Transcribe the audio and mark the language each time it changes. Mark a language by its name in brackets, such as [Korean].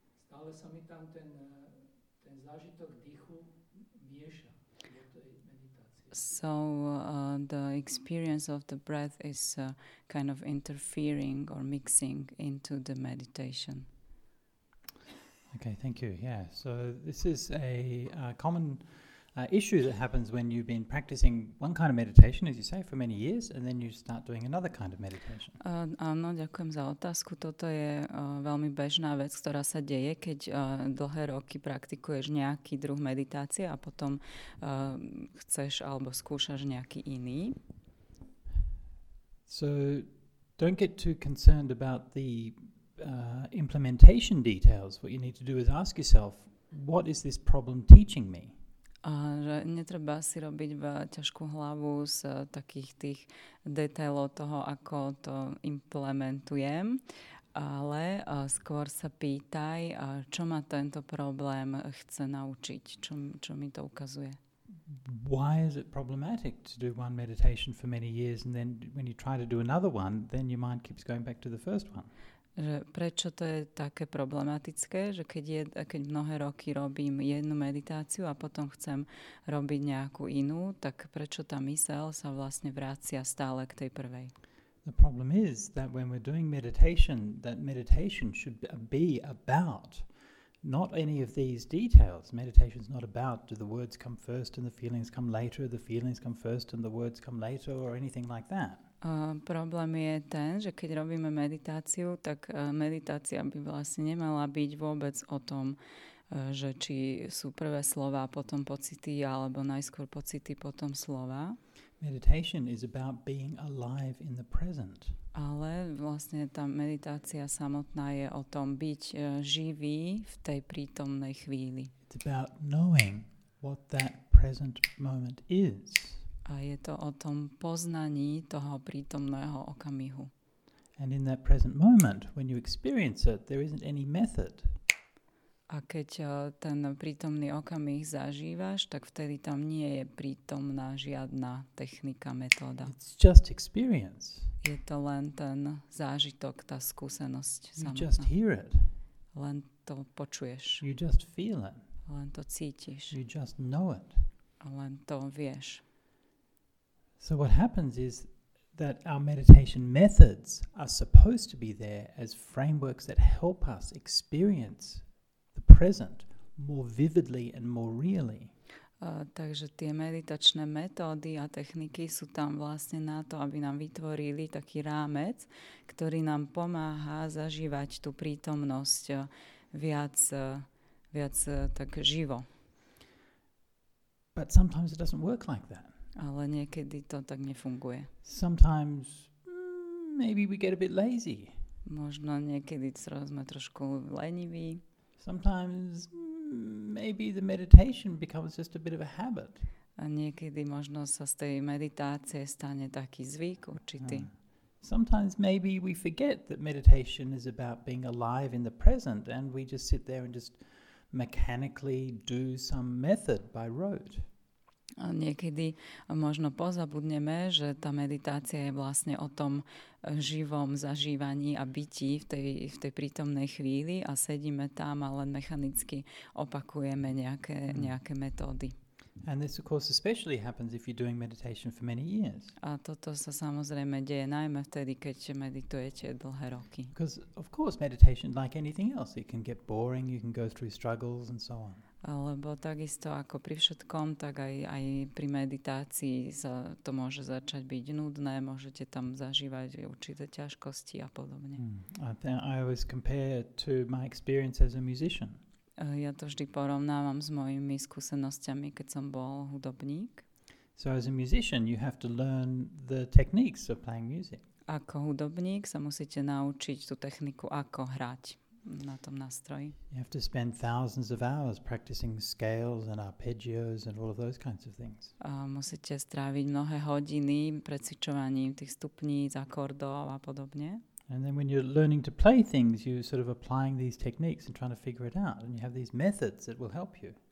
[Slovak] Ale sa mi tam ten zážitok dýchu mieša do tej meditácie. [English] So the experience of the breath is kind of interfering or mixing into the meditation. Okay, thank you. Yeah, so this is a common issue that happens when you've been practicing one kind of meditation, as you say, for many years, and then you start doing another kind of meditation. [Slovak] Áno, ďakujem za otázku. Toto je veľmi bežná vec, ktorá sa deje, keď dlhé roky praktikuješ nejaký druh meditácie a potom chceš alebo skúšaš nejaký iný. [English] So, don't get too concerned about the implementation details. What you need to do is ask yourself, what is this problem teaching me? [Slovak] Že netreba si robiť ťažkú hlavu z takých tých detailov toho, ako to implementujem, ale skôr sa pýtaj, čo ma tento problém chce naučiť, čo mi to ukazuje. [English] Why is it problematic to do one meditation for many years and then when you try to do another one, then your mind keeps going back to the first one? [Slovak] Že prečo to je také problematické, že keď mnohé roky robím jednu meditáciu a potom chcem robiť nejakú inú, tak prečo tá myseľ sa vlastne vracia stále k tej prvej? [English] The problem is that when we're doing meditation, that meditation should be about not any of these details. Meditation is not about do the words come first and the feelings come later, the feelings come first and the words come later or anything like that. [Slovak] Problém je ten, že keď robíme meditáciu, tak meditácia by vlastne nemala byť vôbec o tom, že či sú prvé slova, potom pocity, alebo najskôr pocity, potom slova. [English] Meditation is about being alive in the present. [Slovak] Ale vlastne tá meditácia samotná je o tom byť živý v tej prítomnej chvíli. [English] It's about knowing what that present moment is. [Slovak] A je to o tom poznaní toho prítomného okamihu. [English] And in that present moment, when you experience it, there isn't any method. [Slovak] A keď ten prítomný okamih zažívaš, tak vtedy tam nie je prítomná žiadna technika, metóda. [English] It's just experience. [Slovak] Je to len ten zážitok, tá skúsenosť samotná. [English] You just hear it. [Slovak] Len to počuješ. [English] You just feel it. [Slovak] Len to cítiš. [English] You just know it. [Slovak] A len to vieš. [English] So what happens is that our meditation methods are supposed to be there as frameworks that help us experience present more vividly and more really. [Slovak] Takže tie meditačné metódy a techniky sú tam vlastne na to, aby nám vytvorili taký rámec, ktorý nám pomáha zažívať tú prítomnosť viac tak živo. [English] But sometimes it doesn't work like that. [Slovak] Ale niekedy to tak nefunguje. [English] Sometimes maybe we get a bit lazy. [Slovak] Možno niekedy sme trošku leniví. [English] Sometimes maybe the meditation becomes just a bit of a habit. [Slovak] A niekedy možno sa z tej meditácie stane taký zvyk určitý. [English] Sometimes maybe we forget that meditation is about being alive in the present and we just sit there and just mechanically do some method by rote. [Slovak] A niekedy možno pozabudneme, že tá meditácia je vlastne o tom živom zažívaní a bytí v tej prítomnej chvíli a sedíme tam a len mechanicky opakujeme nejaké metódy. [English] And this of course especially happens if you're doing meditation for many years. [Slovak] A toto sa samozrejme deje najmä vtedy, keď meditujete dlhé roky. [English] Because of course meditation like anything else, it can get boring, you can go through struggles and so on. [Slovak] Alebo takisto ako pri všetkom, tak aj pri meditácii sa to môže začať byť nudné, môžete tam zažívať určité ťažkosti a podobne. [English] I always compare to my experience as a musician. [Slovak] Ja to vždy porovnávam s mojimi skúsenosťami, keď som bol hudobník. [English] So as a musician, you have to learn the techniques of playing music. [Slovak] Ako hudobník sa musíte naučiť tú techniku, ako hrať na tom nástroji. [English] You have to spend thousands of hours practicing scales and arpeggios and all of those kinds of things. [Slovak] A musíte stráviť mnohé hodiny precvičovaním tých stupníc, akordov a podobne. [English] And then when you're learning to play things, you're sort of applying these techniques and trying to figure it out. And you have these methods that will help you.